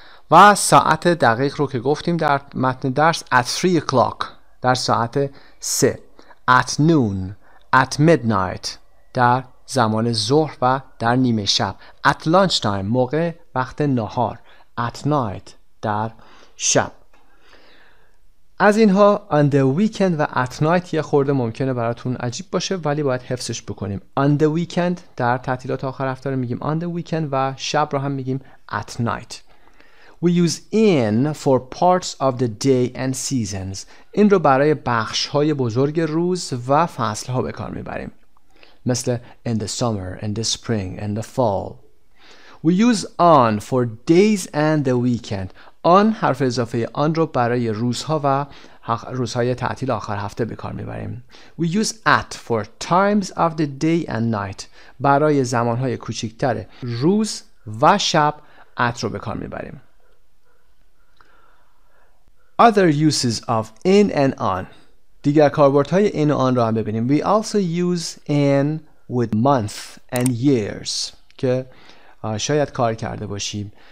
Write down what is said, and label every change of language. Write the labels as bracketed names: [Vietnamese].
[Persian] و ساعت دقیق رو که گفتیم در متن درس، ات [English] 3 o'clock [Persian] در ساعت 3، [English] at noon، at midnight [Persian] در زمان ظهر و در نیمه شب، [English] at lunch time [Persian] موقع وقت نهار، [English] at night [Persian] در شب. از اینها [English] on the weekend [Persian] و [English] at night [Persian] یه خورده ممکنه براتون عجیب باشه ولی باید حفظش بکنیم. [English] On the weekend [Persian] در تعطیلات آخر هفته رو میگیم [English] on the weekend [Persian] و شب رو هم میگیم [English] at night. We use in for parts of the day and seasons. [Persian] این رو برای بخش‌های بزرگ روز و فصل‌ها به کار می‌بریم. [English] مثل in the summer, in the spring, in the fall. We use on for days and the weekend. [Persian] آن حرف اضافه آن رو برای روزها و روزهای تعطیل آخر هفته به کار می‌بریم. [English] We use at for times of the day and night. [Persian] برای زمان‌های کوچکتر روز و شب at رو به کار می‌بریم. [English] Other uses of in and on. [Persian] دیگر کاربردهای in و on را هم ببینیم. [English] We also use in with month and years [Persian] که شاید کار کرده باشیم.